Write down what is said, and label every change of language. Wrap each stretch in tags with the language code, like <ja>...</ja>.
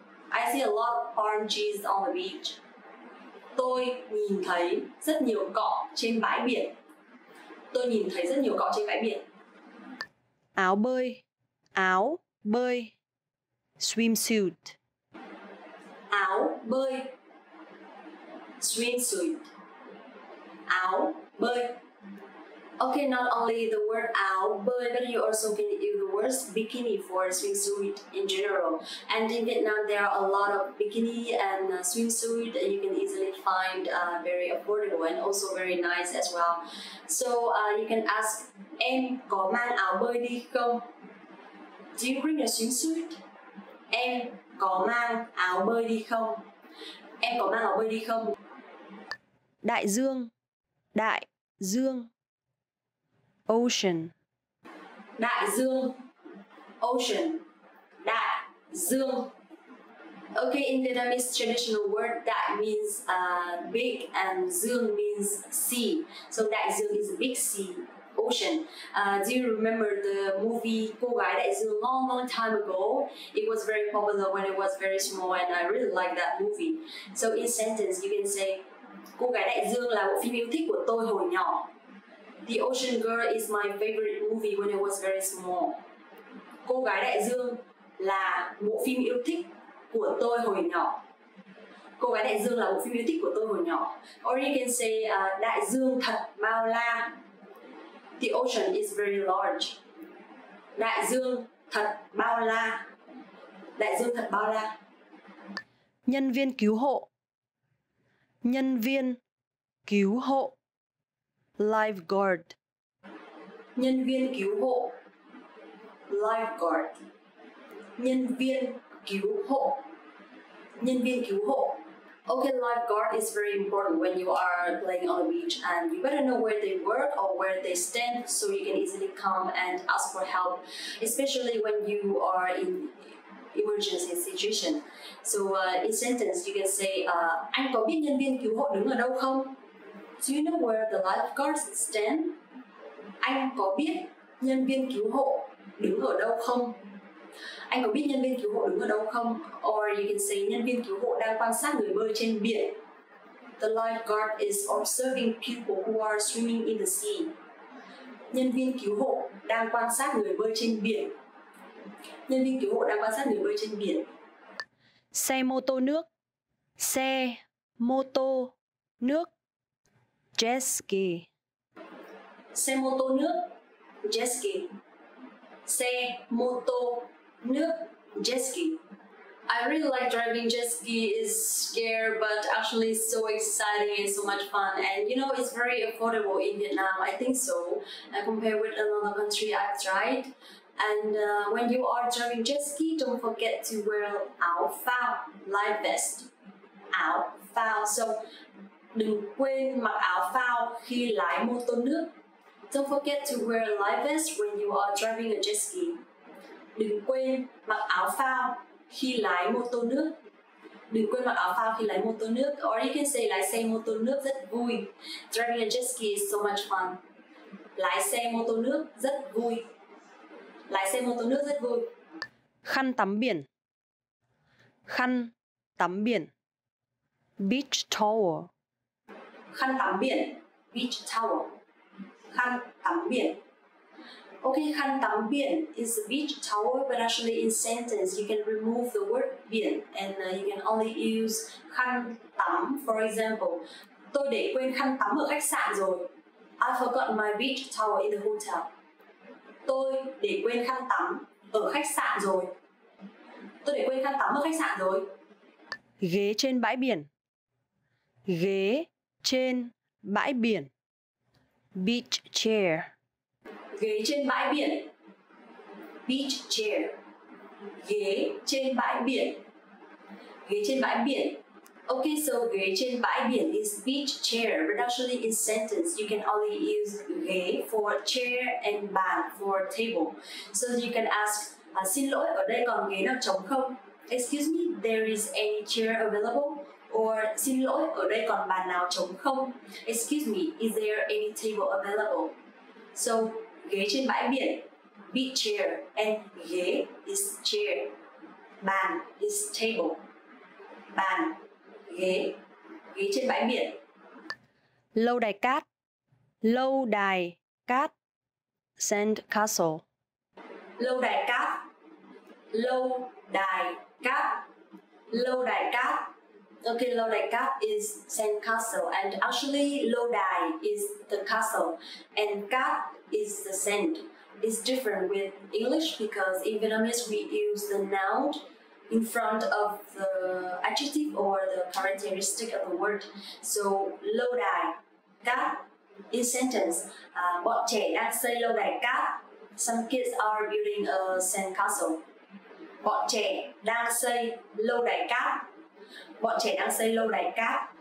<en>I see a lot of palm trees on the beach.</en> <vi>Tôi nhìn thấy rất nhiều cọ trên bãi biển. Tôi nhìn thấy rất nhiều cọ trên bãi biển. Áo bơi. Áo bơi. Swimsuit. Áo bơi. Swimsuit. Áo bơi.</vi> <en>Okay, not only the word áo bơi, but you also can use the words bikini for swimsuit in general. And in Vietnam, there are a lot of bikini and swimsuit that you can easily find very affordable and also very nice as well. So you can ask,</en> <vi>em có mang áo bơi đi không?</vi> <en>Do you bring a swimsuit?</en> <vi>Em có mang áo bơi đi không? Em có mang áo bơi đi không? Đại dương. Đại dương. Ocean. Đại dương. Ocean. Đại dương.</vi> <en>Okay, in Vietnamese traditional word, that means big, and dương means sea. So đại dương is a big sea, ocean. Do you remember the movie Cô Gái Đại Dương? Long, long time ago, it was very popular when it was very small, and I really like that movie. So in sentence, you can say,</en> <vi>Cô Gái Đại Dương là bộ phim yêu thích của tôi hồi nhỏ.</vi> <en>The Ocean Girl is my favorite movie when I was very small.</en> <vi>Cô Gái Đại Dương là bộ phim yêu thích của tôi hồi nhỏ. Cô Gái Đại Dương là bộ phim yêu thích của tôi hồi nhỏ.</vi> <en>Or you can say,</en> <vi>Đại Dương thật bao la.</vi> <en>The ocean is very large.</en> <vi>Đại Dương thật bao la. Đại Dương thật bao la. Nhân viên cứu hộ. Nhân viên cứu hộ. Lifeguard. Nhân viên cứu hộ. Lifeguard. Nhân viên cứu hộ. Nhân viên cứu hộ.</vi> <en>Okay, lifeguard is very important when you are playing on the beach, and you better know where they work or where they stand so you can easily come and ask for help, especially when you are in emergency situation. So in sentence you can say,</en> <vi>anh có biết nhân viên cứu hộ đứng ở đâu không?</vi> <en>Do you know where the lifeguards stand?</en> <vi>Anh có biết nhân viên cứu hộ đứng ở đâu không? Anh có biết nhân viên cứu hộ đứng ở đâu không?</vi> <en>Or you can say</en> <vi>nhân viên cứu hộ đang quan sát người bơi trên biển.</vi> <en>The lifeguard is observing people who are swimming in the sea.</en> <vi>Nhân viên cứu hộ đang quan sát người bơi trên biển. Nhân viên cứu hộ đang quan sát người bơi trên biển. Xe mô tô nước. Xe mô tô nước. Jet ski. Xe mô tô nước. Jet ski. Xe mô tô nước. Jet ski.</vi> <en>I really like driving jet ski. It's scary, but actually so exciting and so much fun. And you know, it's very affordable in Vietnam, I think so. Compared with another country I've tried. And when you are driving jet ski, don't forget to wear áo phao, life vest.</en> <vi>Áo phao. So đừng quên mặc áo phao khi lái mô tô nước.</vi> <en>Don't forget to wear a life vest when you are driving a jet ski.</en> <vi>Đừng quên mặc áo phao khi lái mô tô nước. Đừng quên mặc áo phao khi lái mô tô nước.</vi> <en>Or you can say</en> <vi>lái xe mô tô nước rất vui.</vi> <en>Driving a jet ski is so much fun.</en> <vi>Lái xe mô tô nước rất vui. Lái xe mô tô nước rất vui. Khăn tắm biển. Khăn tắm biển.</vi> <en>Beach towel.</en> <vi>Khăn tắm biển. Beach towel. Khăn tắm biển.</vi> <en>Okay, khăn tắm biển is a beach towel, but actually in sentence you can remove the word biển and you can only use khăn tắm. For example,</en> <vi>tôi để quên khăn tắm ở khách sạn rồi.</vi> <en>I forgot my beach towel in the hotel.</en> <vi>Tôi để quên khăn tắm ở khách sạn rồi. Tôi để quên khăn tắm ở khách sạn rồi. Ghế trên bãi biển. Ghế trên bãi biển.</vi> <en>Beach chair.</en> <vi>Ghế trên bãi biển. Beach chair. Ghế trên bãi biển. Ghế trên bãi biển.</vi> <en>Okay, so ghế trên bãi biển is beach chair. But actually in sentence, you can only use ghế for chair and bàn for table. So you can ask,</en> <vi>xin lỗi, ở đây còn ghế nào trống không?</vi> <en>Excuse me, there is any chair available? Or</en> <vi>xin lỗi, ở đây còn bàn nào trống không?</vi> <en>Excuse me, is there any table available? So ghế trên bãi biển, beach chair, and ghế is chair, bàn is table,</en> <vi>bàn, ghế, ghế trên bãi biển. Lâu đài cát, lâu đài cát, sand castle. Lâu đài cát, lâu đài cát, lâu đài cát.</vi> <en>Okay, lâu đài cát is sand castle, and actually lâu đài is the castle, and cát is the sand. It's different with English because in Vietnamese we use the noun in front of the adjective or the characteristic of the word. So lâu đài cát in sentence.</en> <vi>Bọn trẻ đang xây lâu đài cát.</vi> <en>Some kids are building a sand castle.</en> <vi>Bọn trẻ đang xây lâu đài cát. Bọn trẻ đang xây lâu đài cát.</vi>